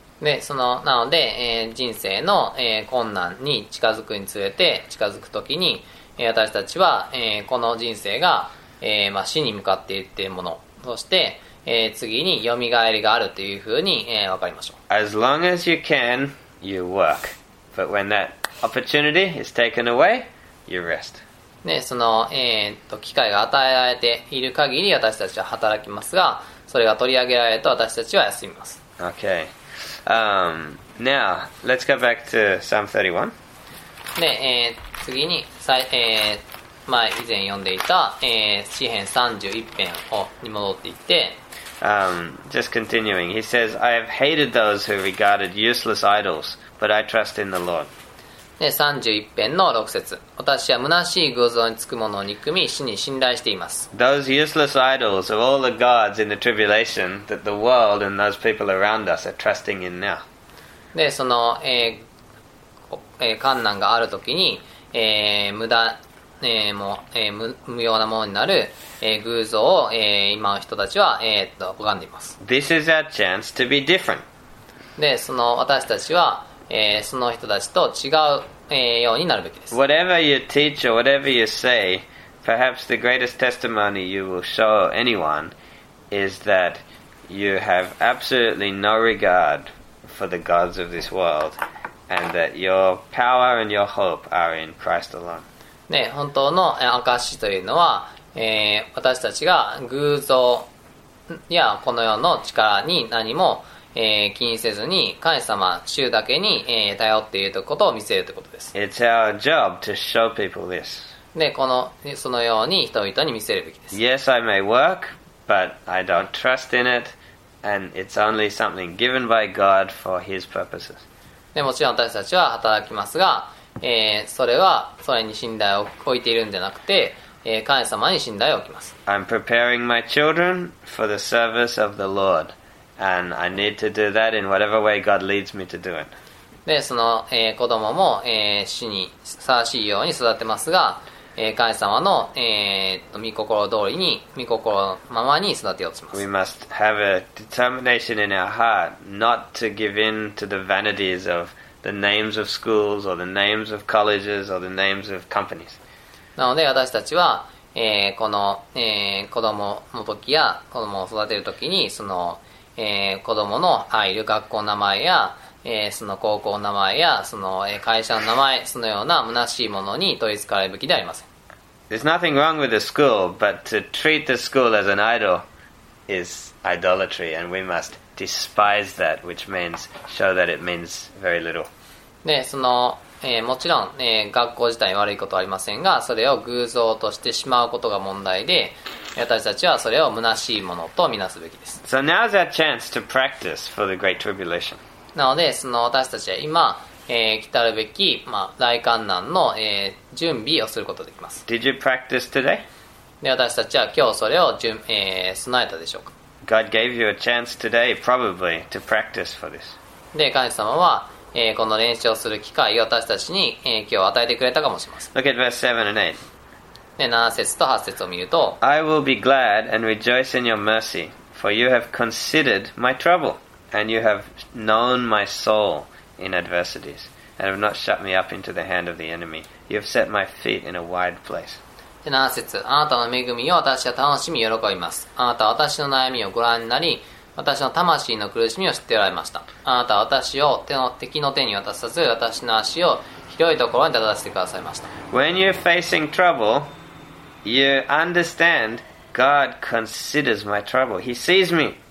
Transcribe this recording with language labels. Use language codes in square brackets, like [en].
[ja] で、その、なので、人生の、困難に近づくにつれて、近づくときに、私たちは、この人生が、死に向かっていっているもの。そして、次に蘇りがあるというふうに、分かりましょう。 [en] As long as you can,You work. But when that opportunity is taken away, you rest. [ja] で、その、機会が与えられている限り私たちは働きますが、それが取り上げられると私たちは休みます。 [en] Okay. Now, let's go back to Psalm 31. [ja] で、次に、前以前読んでいた、詩編31編に戻っていって、 [en] Just continuing, he says, I have hated those who regarded useless idols, but I trust in the Lord. [ja] で、31編の6節。私は虚しい偶像につくものを憎み、死に信頼しています。 [en] Those useless idols are all the gods in the tribulation that the world and those people around us are trusting in now. [ja] で、その、困難があるときに、無駄、もう、無用なものになる、偶像を、今の人たちは、拝んでいます。 [en] This is our chance to be different. [ja] で、その私たちは、その人たちと違う、ようになるべきです。 [en] Whatever you teach or whatever you say, perhaps the greatest testimony you will show anyone is that you have absolutely no regard for the gods of this world and that your power and your hope are in Christ alone. [ja] ね、本当の証というのは、私たちが偶像やこの世の力に何も、気にせずに神様、主だけに、頼っているということを見せるということです。 [en] It's our job to show people this. [ja] で、この、そのように人々に見せるべきです。 [en] Yes, I may work, but I don't trust in it, and it's only something given by God for His purposes. [ja] で、もちろん私たちは働きますが、それはそれに信頼を置いているんじゃなくて、神様に信頼を置きます。 [en] I'm preparing my children for the service of the Lord, and I need to do that in whatever way God leads me to do it. [ja] で、その、子供も、主にふさわしいように育てますが、神様の、御心通りに御心のままに育てようとします。 [en] We must have a determination in our heart not to give in to the vanities of the names of schools or the names of colleges or the names of companies. [ja] なので私たちは、この、子供の時や子供を育てる時にその、子供の入る学校の名前やその高校の名前やその会社の名前そのような虚しいものに取り憑かれるべきではありません。 [en] There's nothing wrong with the school, but to treat the school as an idol is idolatry, and we must despise that, which means show that it means very little. [ja] で、その、もちろん、学校自体に悪いことはありませんが、それを偶像としてしまうことが問題で、私たちはそれを虚しいものとみなすべきです。 [en] So now's our chance to practice for the great tribulation. [ja] なので、その私たちは今、来たるべき、まあ、大患難の、準備をすることができます。 [en] Did you practice today? [ja] で、私たちは今日それを備えたでしょうか。 [en] God gave you a chance today, probably, to practice for this. [ja] で、神様は、この練習をする機会を私たちに、今日与えてくれたかもしれません。 [en] Look at verse 7 and 8. [ja] で、7節と8節を見ると、 [en] I will be glad and rejoice in your mercy, for you have considered my trouble. And you have known my soul in adversities, and have not shut me up into the hand of the enemy. You have set my feet in a wide place. [ja] 7節、あなたの恵みを私は楽しみ喜びます。あなたは私の悩みをご覧になり、私の魂の苦しみを知っておられました。あなたは私を手の敵の手に渡さず、私の足を広いところに立たせてくださいました。 [en] When you're facing trouble, you understand God considers my trouble. He sees me.